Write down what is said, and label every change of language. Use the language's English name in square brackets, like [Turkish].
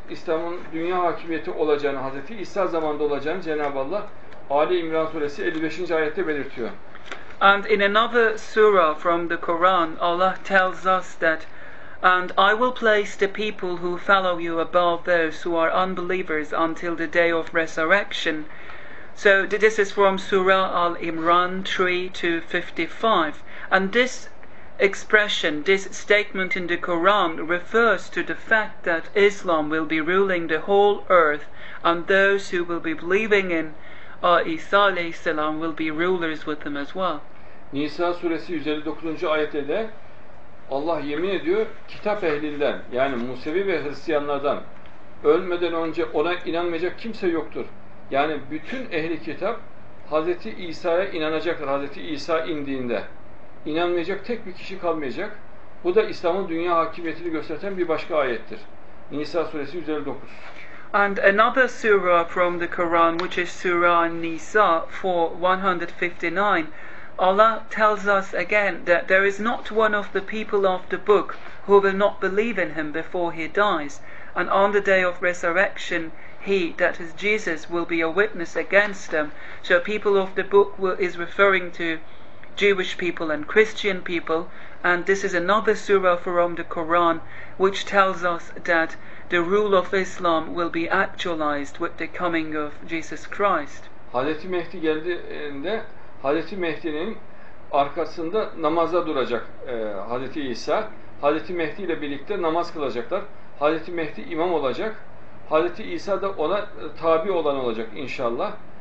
[Turkish] İslam'ın dünya hakimiyeti olacağını, Hazreti İsa zamanında olacağını Cenab-ı Allah Ali İmran suresi 55. ayette belirtiyor. [English] And in another surah from the Quran, Allah tells us that, and I will place the people who follow you above those who are unbelievers until the day of resurrection. So this is from Surah Al-Imran 3-55. And this expression, this statement in the Quran refers to the fact that Islam will be ruling the whole earth and those who will be believing in İsa Aleyhisselam will be rulers with them as well. [Turkish] Nisa suresi 159. ayette de Allah yemin ediyor kitap ehlinden yani Musevi ve Hristiyanlardan ölmeden önce ona inanmayacak kimse yoktur. Yani bütün ehli kitap Hazreti İsa'ya inanacaklar Hazreti İsa indiğinde. İnanmayacak tek bir kişi kalmayacak. Bu da İslam'ın dünya hakimiyetini gösteren bir başka ayettir. Nisa suresi 159. [English] And another surah from the Quran which is Surah Nisa 4:159. Allah tells us again that there is not one of the people of the book who will not believe in him before he dies. And on the day of resurrection, he, that is Jesus, will be a witness against them. So people of the book is referring to Jewish people and Christian people. And this is another surah from the Quran which tells us that the rule of Islam will be actualized with the coming of Jesus Christ. [Turkish] Hazreti Mehdi geldiğinde Hazreti Mehdi'nin arkasında namaza duracak Hazreti İsa. Hazreti Mehdi ile birlikte namaz kılacaklar. Hazreti Mehdi imam olacak. Hazreti İsa da ona tabi olan olacak inşallah.